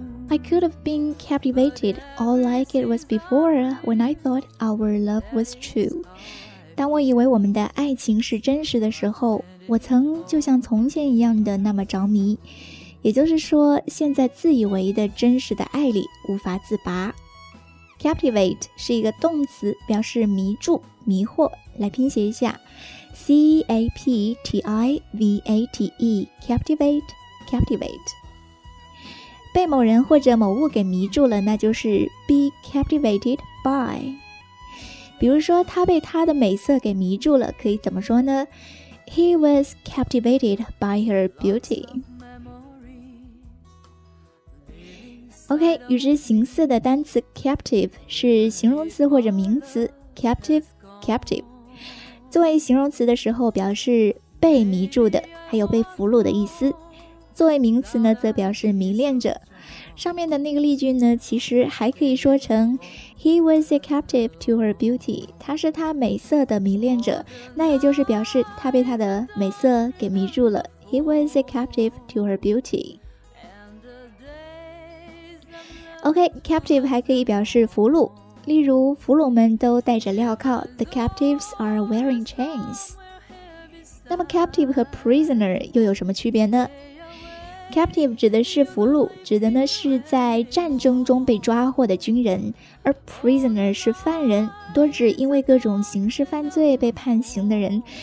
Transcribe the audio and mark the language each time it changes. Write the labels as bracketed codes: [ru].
[en] I could have been captivated all like it was before, when I thought our love was true. [zh] 当我以为我们的爱情是真实的时候，我曾就像从前一样的那么着迷。也就是说，陷在自以为的真实的爱里，无法自拔。 Captivate 是一个动词，表示迷住、迷惑。来拼写一下 C-A-P-T-I-V-A-T-E Captivate, Captivate 被某人或者某物给迷住了，那就是 Be captivated by。比如说他被他的美色给迷住了，可以怎么说呢？ [en] He was captivated by her beauty。 [zh] OK, 与之形似的单词 captive 是形容词或者名词 captive, captive 作为形容词的时候表示被迷住的，还有被俘虏的意思。作为名词呢，则表示迷恋者。上面的那个例句呢，其实还可以说成 [en] He was a captive to her beauty, [zh] 他是他美色的迷恋者，那也就是表示他被他的美色给迷住了。 [en] He was a captive to her beauty。 [zh] OK, captive 还可以表示俘虏，例如俘虏们都戴着镣铐， [en] The captives are wearing chains. [zh] 那么 captive 和 prisoner 又有什么区别呢？Captive 指的是俘虏，指的呢是在战争中被抓获的军人，而 prisoner 是犯人，多指因为各种刑事犯罪被判刑的人。